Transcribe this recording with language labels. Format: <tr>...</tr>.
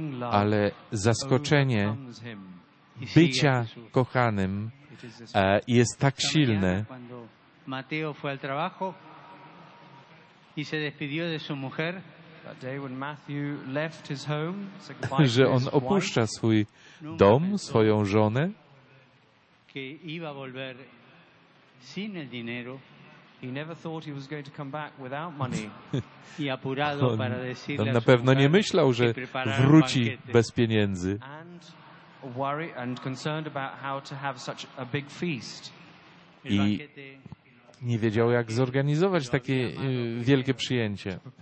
<pl>Ale zaskoczenie bycia kochanym jest tak silne.</pl> <es>Mateo fue al trabajo y se despidió de su mujer.</es> <en>That day when Matthew left his home,</en> <pl>że on opuszcza swój dom, swoją żonę.</pl> <es>Que iba a volver sin el dinero.</es> <en>He never thought he was going to come back without money.</en> <es>Y apurado para decirle.</es> <pl>On na pewno nie myślał, że wróci bez pieniędzy.</pl> <en>And worried and concerned about how to have such a big feast.</en> <pl>I nie wiedział, jak zorganizować takie wielkie przyjęcie.</pl>